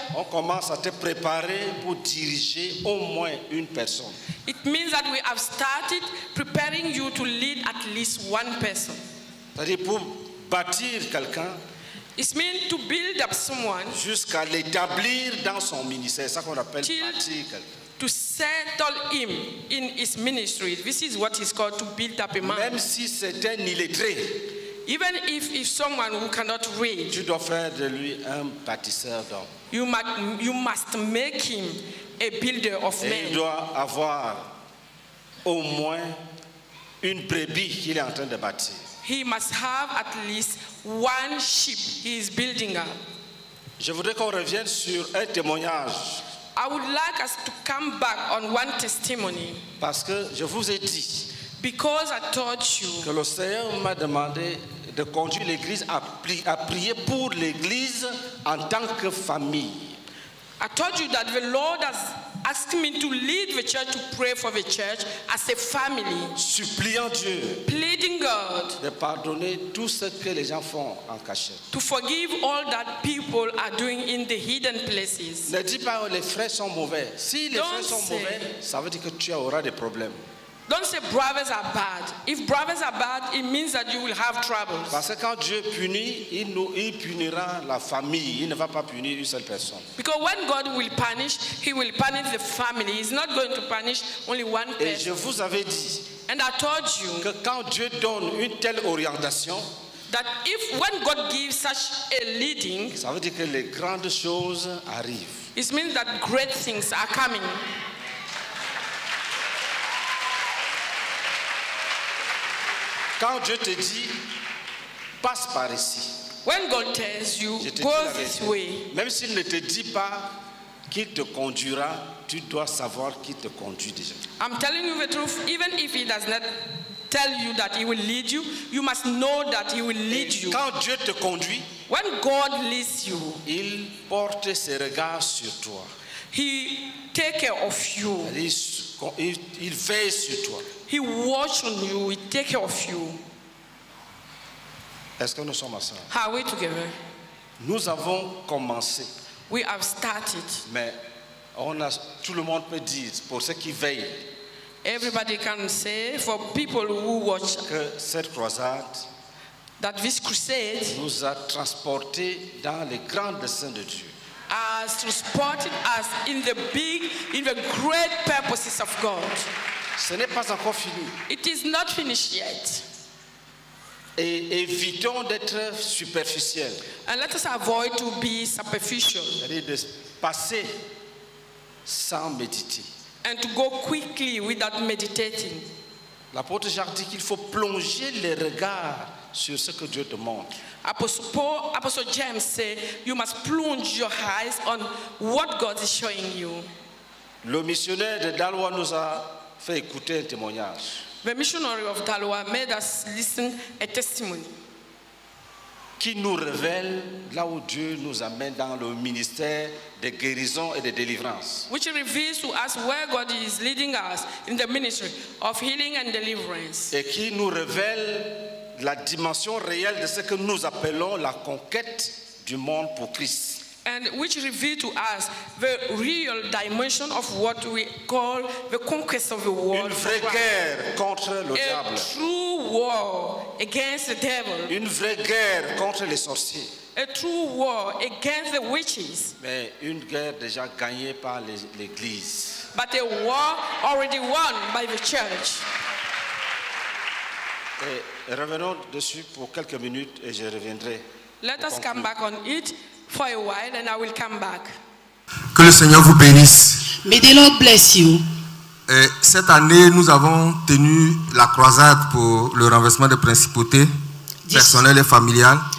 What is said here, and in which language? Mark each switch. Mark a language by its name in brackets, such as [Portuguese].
[French] on commence à te préparer pour diriger au moins une personne. [English] It means that we have started preparing you to lead at least one person. [French] C'est-à-dire pour bâtir quelqu'un. [English] It means to build up someone. [French] Jusqu'à l'établir dans son ministère, c'est ça qu'on appelle bâtir quelqu'un. [English] To settle him in his ministry. This is what is called to build up a man. [French] Même si c'est un illettré. [English] Even if someone who cannot read. [French] Tu dois faire de lui un bâtisseur d'homme. [English] You must make him a builder of men. [French] Et il doit avoir au moins une brebis qu'il est en train de bâtir. [English] He must have at least one sheep he is building up. [French] Je voudrais qu'on revienne sur un témoignage. [English] I would like us to come back on one testimony. [French] Parce que je vous ai dit. [English] Because I taught you. [French] Que le Seigneur m'a demandé de conduire l'église à prier pour l'église en tant que famille. [English] I taught you that the Lord has asked me to lead the church to pray for the church as a family. [French] Suppliant Dieu. [English] Pleading God. [French] De pardonner tout ce que les gens font en cachette. [English] To forgive all that people are doing in the hidden places. [French] Ne dis pas les frères sont mauvais. Si les frères sont mauvais, ça veut dire que tu auras des problèmes. [English] Don't say brothers are bad. If brothers are bad, it means that you will have troubles. [French] Parce que quand Dieu punit, il punira la famille. Il ne va pas punir une seule personne. [English] Because when God will punish, he will punish the family. He's not going to punish only one person. [French] Et je vous avais dit, [English] and I told you, [French] que quand Dieu donne une telle orientation, [English] that if when God gives such a leading, [French] ça veut dire que les grandes choses arrivent. [English] It means that great things are coming. [French] Quand Dieu te dit, passe par ici. [English] When God tells you, go this way. [French] Même s'il ne te dit pas qui te conduira, tu dois savoir qui te conduit déjà. [English] I'm telling you the truth. Even if he does not tell you that he will lead you, you must know that he will lead you. [French] Quand Dieu te conduit, [English] when God leads you, [French] il porte ses regards sur toi. [English] He take care of you. [French] Il veille sur toi. [English] He watch on you. He take care of you. [French] Est-ce que nous sommes ensemble? [English] Are we together? [French] Nous avons commencé. [English] We have started. [French] Mais on a, tout le monde peut dire pour ceux qui veillent. [English] Everybody can say for people who watch. [French] Que cette croisade. [English] That this crusade. [French] Nous a transporté dans les grands desseins de Dieu. [English] Has transported us in the big, in the great purposes of God. [French] Ce n'est pas encore fini. [English] It is not finished yet. [French] Et évitons d'être superficiels. [English] And let us avoid to be superficial. [French] C'est-à-dire de passer sans méditer. [English] And to go quickly without meditating. [French] L'apôtre Jacques dit qu'il faut plonger les regards sur ce que Dieu te montre. [English] Apostle James say you must plunge your eyes on what God is showing you. [French] Le missionnaire de Dalwa nous a fait écouter un témoignage. [English] The missionary of Dalwa made us listen a testimony. [French] Qui nous révèle là où Dieu nous amène dans le ministère de guérison et de délivrance. [English] Which reveals to us where God is leading us in the ministry of healing and deliverance. [French] Et qui nous révèle la dimension réelle de ce que nous appelons la conquête du monde pour Christ. [English] And which reveals to us the real dimension of what we call the conquest of the world. [French] Une vraie guerre contre le diable. [English] A true war against the devil. [French] Une vraie guerre contre les sorciers. [English] A true war against the witches. [French] Mais une guerre déjà gagnée par l'Église. [English] But a war already won by the church. [French] Et revenons dessus pour quelques minutes et je reviendrai. [English] Let us come back on it for a while and I will come back. [French] Que le Seigneur vous bénisse. [English] May the Lord bless you. [French] Et cette année, nous avons tenu la croisade pour le renversement des principautés personnelles et familiales.